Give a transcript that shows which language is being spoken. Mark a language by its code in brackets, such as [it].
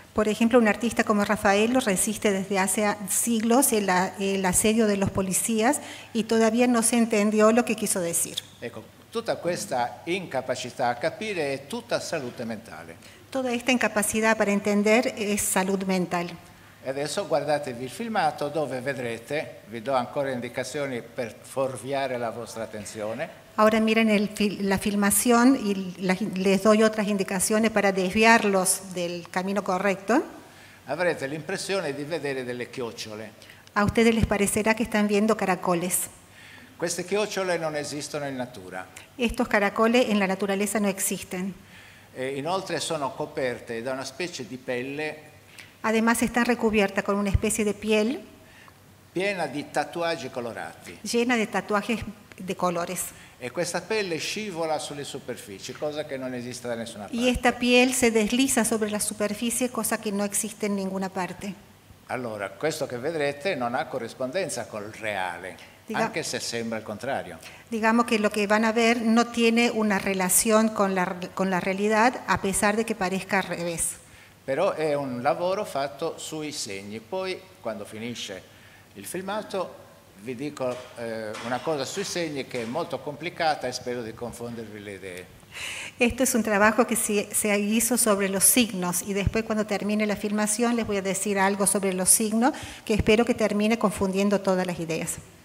[es] Por ejemplo, un artista como Raffaello resiste desde hace siglos el asedio de los policías y todavía no se entendió lo que quiso decir. [it] Ecco, tutta questa incapacità a capire è tutta salute mentale. [es] Toda esta incapacidad para entender es salud mental. [it] E adesso guardatevi il filmato dove vedrete, vi do ancora indicazioni per fuorviare la vostra attenzione. [es] Ahora miren la filmación y les doy otras indicaciones para desviarlos del camino correcto. [it] Avrete l'impressione di vedere delle chiocciole. [es] A ustedes les parecerá que están viendo caracoles. [it] Queste chiocciole non esistono in natura. [es] Estos caracoles en la naturaleza no existen. [it] E inoltre sono coperte da una specie di pelle. [es] Además están recubiertas con una especie de piel. [it] Piena di tatuaggi colorati. [es] Llena de tatuajes de colores. [it] E questa pelle scivola sulle superfici, cosa che non esiste da nessuna parte. [es] Y esta piel se desliza sobre la superficie, cosa que no existe en ninguna parte. [it] Allora, questo che vedrete non ha corrispondenza col reale, anche se sembra il contrario. [es] Digamos que lo que van a ver no tiene una relación con la realidad, a pesar de que parezca al revés. [it] Però è un lavoro fatto sui segni. Poi, quando finisce il filmato, vi dico una cosa sui segni che è molto complicata e spero di confondervi le idee. Questo è un lavoro che si ha fatto sui segni e poi quando termine la filmazione [es] les voy a decir algo sobre los signos [it] che spero che termine [es] confundiendo todas las ideas.